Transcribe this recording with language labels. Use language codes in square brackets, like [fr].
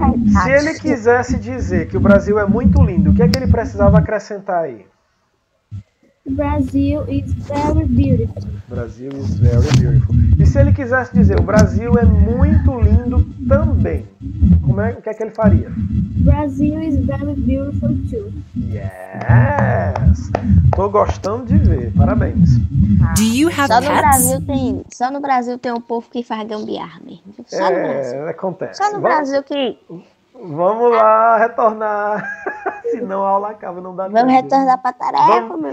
[pt] Se ele quisesse dizer que o Brasil é muito lindo, o que é que ele precisava acrescentar aí? [en] Brazil is very beautiful. Brasil is very beautiful. [pt] E se ele quisesse dizer o Brasil é muito lindo também, como é, o que é que ele faria? [en] Brazil is very beautiful too. Yes! [pt] Tô gostando de ver, parabéns. [en] Do you have cats? [pt] Só no Brasil tem um povo que faz gambiarra mesmo. É, acontece. Só no Brasil que... Vamos lá, retornar. Senão a aula acaba, não dá tempo. Vamos retornar para a tarefa, meu Deus.